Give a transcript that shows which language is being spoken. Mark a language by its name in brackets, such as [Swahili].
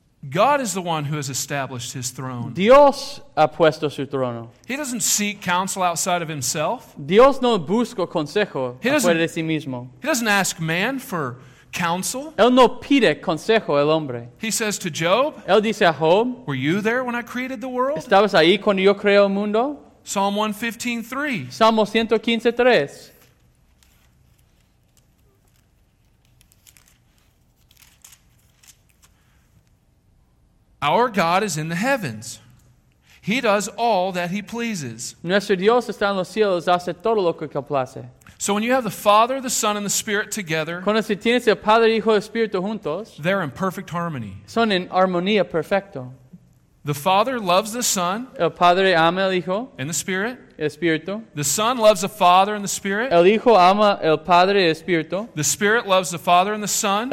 [English] God is the one who has established his throne. [Spanish] Dios ha puesto su trono. [English] He doesn't seek counsel outside of himself. [Spanish] Dios no busca consejo fuera de sí mismo. [English] He doesn't ask man for counsel. [Spanish] Él no pide consejo al hombre. [English] He says to Job, [Spanish] él dice a Job, [English] were you there when I created the world? [Spanish] ¿Estabas ahí cuando yo creé el mundo? [English] Psalm 115:3. [Spanish] Salmo 115:3. [English] Our God is in the heavens. He does all that he pleases. [Spanish] Nuestro Dios está en los cielos, hace todo lo que complace. [English] So when you have the Father, the Son, and the Spirit together, [Spanish] cuando si tienes el Padre, Hijo y Espíritu juntos, [English] they're in perfect harmony. [Spanish] Son en armonía perfecto. [English] The Father loves the Son. [Spanish] El Padre ama al Hijo. [English] In the Spirit. [Spanish] El Espíritu. [English] The Son loves the Father and the Spirit. [Spanish] El Hijo ama el Padre y el Espíritu. [English] The Spirit loves the Father and the Son.